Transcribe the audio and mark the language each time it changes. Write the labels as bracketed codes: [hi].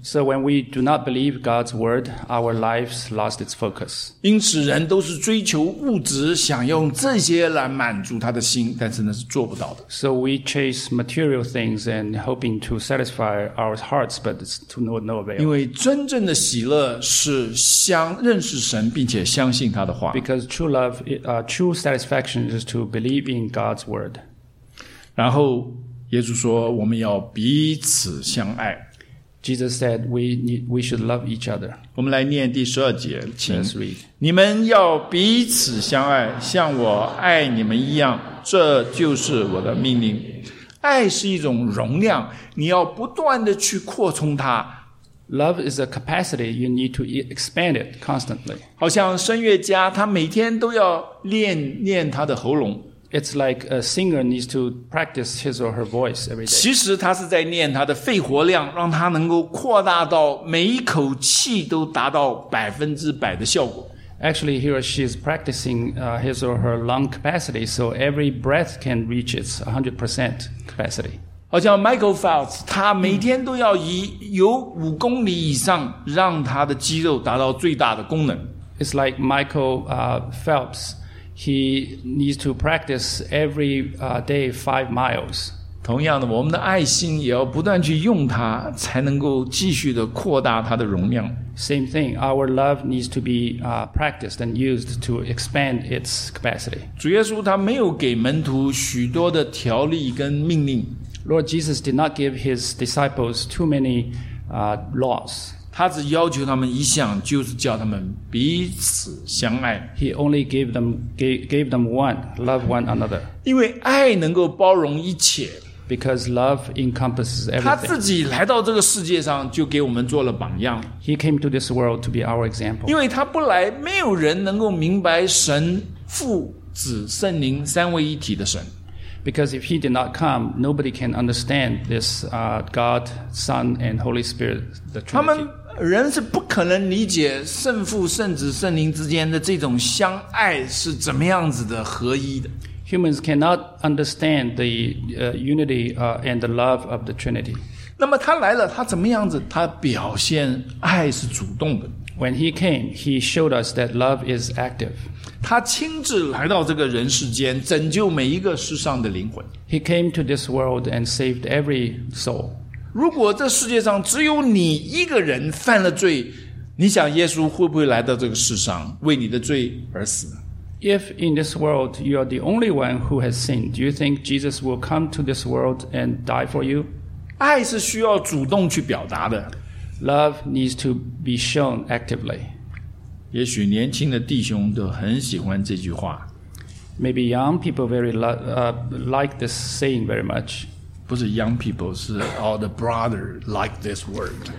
[en] So when we do not believe God's word, our lives lost its focus. [zh] 因此人都是追求物质，想用这些来满足他的心，但是那是做不到的。 [en] So we chase material things and hoping to satisfy our hearts, but it's to no avail. [zh] 因为真正的喜乐是认识神并且相信他的话。 [en] Because true love, true satisfaction is to believe in God's word. [zh] 然后耶稣说我们要彼此相爱。 [en] Jesus said we should love each other. [zh] 我们来念第十二节，请 [en] Let's read. [zh] 你们要彼此相爱，像我爱你们一样，这就是我的命令。爱是一种容量，你要不断地去扩充它。 [en] Love is a capacity, you need to expand it constantly. [zh] 好像声乐家他每天都要练练他的喉咙。 [en] It's like a singer needs to practice his or her voice every day. [zh] 其实他是在练他的肺活量，让他能够扩大到每一口气都达到100%的效果。 [en] Actually, he or she is practicing his or her lung capacity, so every breath can reach its 100% capacity. [zh] 好像 Michael Phelps, 他每天都要游5公里以上，让他的肌肉达到最大的功能。 [en] It's like Michael Phelps. He needs to practice every day 5 miles. [zh] 同样的，我们的爱心也要不断去用它，才能够继续的扩大它的容量。 [en] Same thing, our love needs to be practiced and used to expand its capacity. [zh] 主耶稣他没有给门徒许多的条例跟命令。 [en] Lord Jesus did not give his disciples too many laws. [zh] 他只要求他们一项，就是叫他们彼此相爱。 [en] He only gave them one, love one another. [zh] 因为爱能够包容一切。 [en] Because love encompasses everything. [zh] 他自己来到这个世界上，就给我们做了榜样。 [en] He came to this world to be our example. [zh] 因为他不来，没有人能够明白神、父、子、圣灵三位一体的神。 [en] Because if he did not come, nobody can understand this God, Son, and Holy Spirit, the Trinity. [zh] 他们人是不可能理解圣父、圣子、圣灵之间的这种相爱是怎么样子的合一的。 [en] Humans cannot understand the unity and the love of the Trinity. [zh] 那么他来了，他怎么样子？他表现爱是主动的。 [en] When he came, he showed us that love is active. [zh] 他亲自来到这个人世间，拯救每一个世上的灵魂。 [en] He came to this world and saved every soul. [zh] 如果这世界上只有你一个人犯了罪，你想耶稣会不会来到这个世上为你的罪而死？ [en] If in this world you are the only one who has sinned, do you think Jesus will come to this world and die for you? [zh] 爱是需要主动去表达的。 [en] Love needs to be shown actively. [zh] 也许年轻的弟兄都很喜欢这句话。 [en] Maybe young people like this saying very much. [zh] 不是 [en] young people, 是 all the brother like this word.